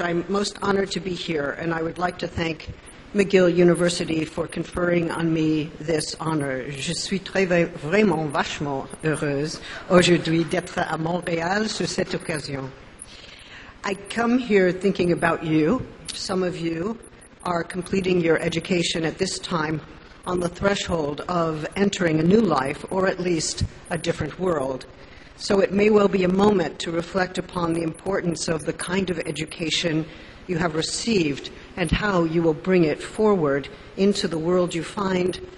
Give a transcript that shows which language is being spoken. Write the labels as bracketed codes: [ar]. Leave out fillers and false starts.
[en] I'm most honored to be here, and I would like to thank McGill University for conferring on me this honor. [fr] Je suis très, vraiment vachement heureuse aujourd'hui d'être à Montréal sur cette occasion. [en] I come here thinking about you. Some of you are completing your education at this time on the threshold of entering a new life or at least a different world. So it may well be a moment to reflect upon the importance of the kind of education you have received and how you will bring it forward into the world you find